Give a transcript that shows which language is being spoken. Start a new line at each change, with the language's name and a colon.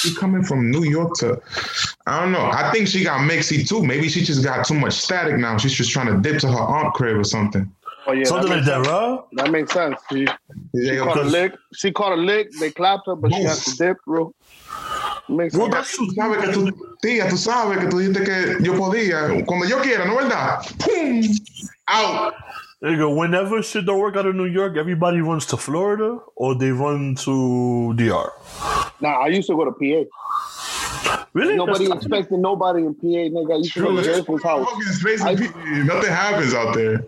English: She coming from New York to, I don't know. I think she got Mexi too. Maybe she just got too much static now. She's just trying to dip to her aunt crib or something. Oh, yeah, something that like that, sense. Bro. That makes sense. She caught a lick. They clapped her, but she had to dip, bro. Well, that's true.
Spanish: Sabe que tu tía, tú sabes que tú dijiste que yo podía cuando yo quiera, ¿no verdad?
English: Boom, out. There you go. Whenever shit don't work out in New York, everybody runs to Florida or they run to DR. Nah, I used to go to PA. Really? Nobody that's expected funny. Nobody in PA, nigga. I used to go to Jericho's house. Nothing happens out there.